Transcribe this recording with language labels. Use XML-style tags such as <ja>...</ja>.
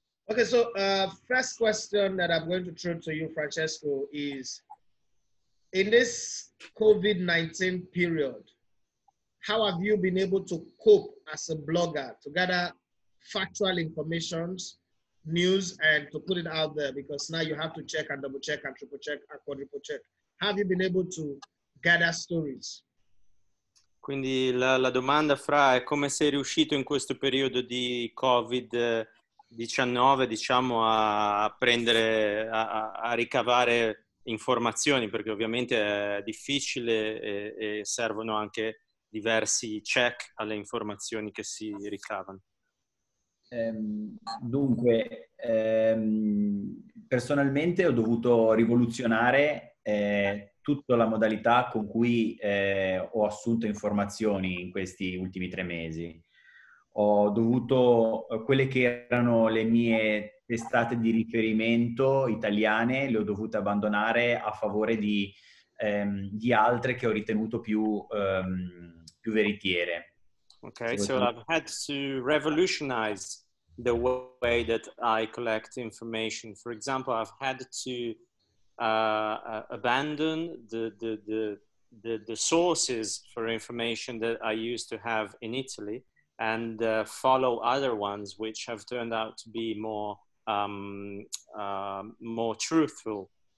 <en>Okay, so first question that I'm going to throw to you, Francesco, is in this COVID-19 period, how have you been able to cope as a blogger to gather factual information, news, and to put it out there? Because now you have to check and double check and triple check and quadruple check. How have you been able to gather stories?</en> <it>Quindi la domanda fra è come sei riuscito in questo periodo di COVID-19, diciamo, a prendere, a ricavare informazioni, perché ovviamente è difficile e servono anche diversi check alle informazioni che si ricavano. Personalmente ho dovuto rivoluzionare tutta la modalità con cui ho assunto informazioni in questi ultimi 3 mesi. Ho dovuto, quelle che erano le mie testate di riferimento italiane, le ho dovute abbandonare a favore di altre che ho ritenuto più veritiere.</it> <en>Ok, so I've had to revolutionize the way that I collect information. For example, I've had to abandon the sources for information that I used to have in Italy, and follow other ones which have turned out to be more truthful.</en>